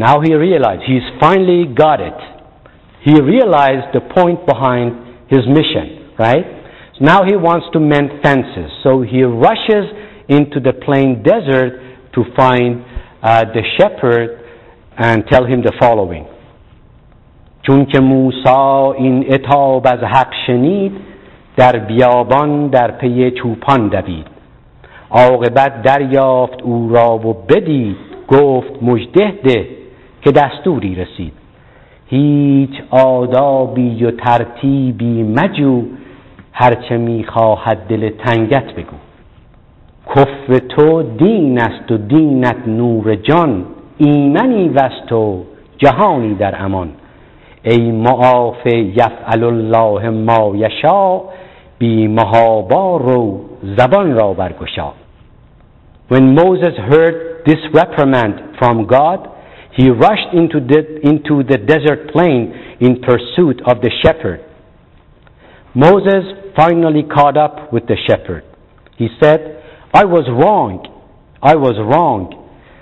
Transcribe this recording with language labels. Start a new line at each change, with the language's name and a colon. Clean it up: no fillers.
English: Now he realized he's finally got it. He realized the point behind his mission, right? So now he wants to mend fences. So he rushes into the plain desert to find the shepherd and tell him the following.
Persian: چونکه موسی این عتاب از حق شنید در بیابان در پی چوپان دوید عاقبت دریافت او را و بدید گفت مژده ده که دستوری رسید هیچ آدابی و ترتیبی مجو هرچه میخواهد دل تنگت بگو کفر تو دین است و دینت نور جان ایمنی وست و جهانی در امان ای معاف یفعل الله ما یشا بی محابا رو زبان را برگشا.
English: When Moses heard this reprimand from God, he rushed into the desert plain in pursuit of the shepherd. Moses finally caught up with the shepherd. He said, I was wrong.